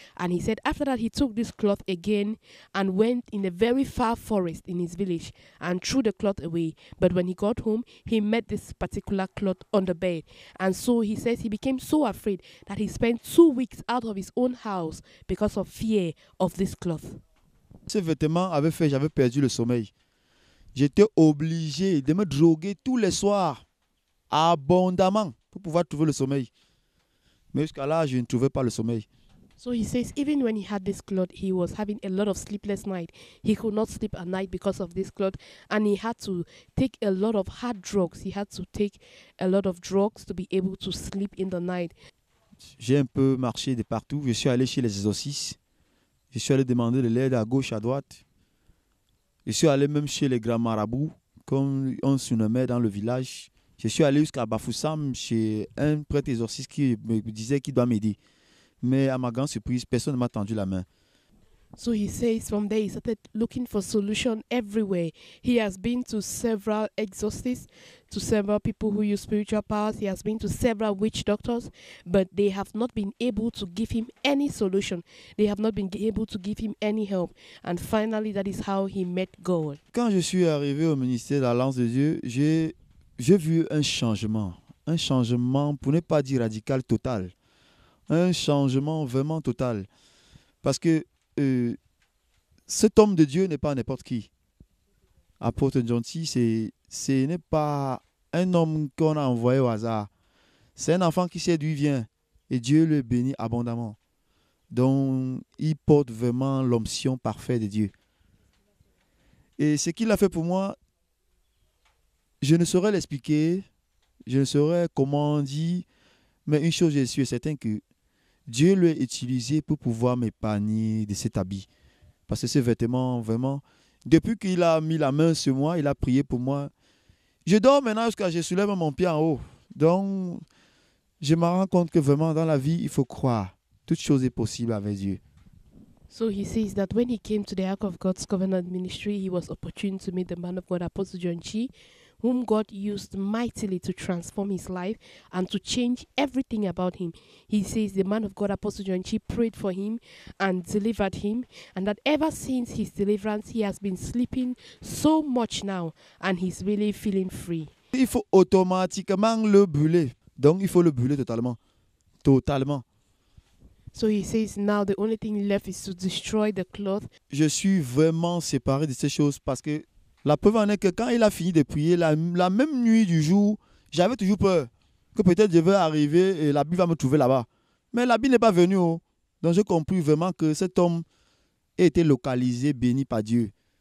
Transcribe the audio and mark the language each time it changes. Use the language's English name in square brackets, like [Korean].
[English] And he said after that, he took this cloth again and went in a very far forest in his village and threw the cloth away. But when he got home, he met this particular cloth on the bed. And so he says he became so afraid that he spent 2 weeks out of his own house because of fear of this cloth. [French] Ce vêtement avait fait, j'avais perdu le sommeil. J'étais obligé de me droguer tous les soirs abondamment pour pouvoir trouver le sommeil. Mais jusqu'à là, je ne trouvais pas le sommeil. [English] So he says even when he had this cloth, he was having a lot of sleepless night. He could not sleep at night because of this cloth, and he had to take a lot of hard drugs. He had to take a lot of drugs to be able to sleep in the night. [French] J'ai un peu marché de partout, je suis allé chez les exorcistes. Je suis allé demander de l'aide à gauche, à droite. Je suis allé même chez les grands marabouts, comme on se nommait dans le village. Je suis allé jusqu'à Bafoussam, chez un prêtre exorciste qui me disait qu'il doit m'aider. Mais à ma grande surprise, personne ne m'a tendu la main. [English] So he says from there he started looking for solution everywhere. He has been to several exorcists, to several people who use spiritual powers. He has been to several witch doctors, but they have not been able to give him any solution. They have not been able to give him any help. And finally, that is how he met God. [French] Quand je suis arrivé au ministère de l'Alliance de Dieu, j'ai vu un changement pour ne pas dire radical, total, un changement vraiment total, parce que cet homme de Dieu n'est pas n'importe qui. Apôtre Gentil, ce n'est pas un homme qu'on a envoyé au hasard. C'est un enfant qui sait d'où il vient et Dieu le bénit abondamment. Donc, il porte vraiment l'onction parfaite de Dieu. Et ce qu'il a fait pour moi, je ne saurais l'expliquer, je ne saurais comment dire, mais une chose, je suis certain que Dieu l'a utilisé pour pouvoir m'épargner de cet habit. Parce que ce vêtement, vraiment, depuis qu'il a mis la main sur moi, il a prié pour moi. Je dors maintenant jusqu'à ce que je soulève mon pied en haut. Donc, je me rends compte que vraiment, dans la vie, il faut croire. Toute chose est possible avec Dieu. [English] So he says that when he came to the Ark of God's Covenant Ministry, he was opportune to meet the man of God, Apostle John Chi, whom God used mightily to transform his life and to change everything about him. He says the man of God, Apostle John Chi, prayed for him and delivered him, and that ever since his deliverance, he has been sleeping so much now and he's really feeling free. [French] Il faut automatiquement le brûler. Donc, il faut le brûler totalement. Totalement. [English] So he says now the only thing left is to destroy the cloth. [French] Je suis vraiment séparé de ces choses parce que la preuve en est que quand il a fini de prier, la même nuit du jour, j'avais toujours peur que peut-être je vais arriver et l'habit va me trouver là-bas. Mais l'habit n'est pas venu. Donc j'ai compris vraiment que cet homme a été localisé, béni par Dieu.